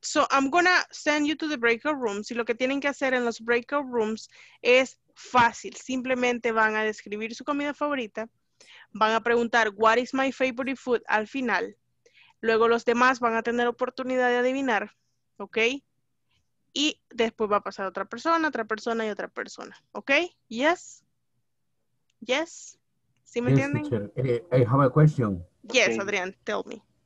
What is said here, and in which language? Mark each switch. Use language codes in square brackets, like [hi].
[en] So, I'm gonna send you to the breakout rooms. [es] Y lo que tienen que hacer en los breakout rooms es fácil. Simplemente van a describir su comida favorita. Van a preguntar, [en] what is my favorite food, [es] al final. Luego los demás van a tener oportunidad de adivinar. Ok. Y después va a pasar otra persona y otra persona. ¿Ok? ¿Yes? ¿Yes? ¿Sí me entienden? [en] I have a question. Yes, okay. Adrián, tell me.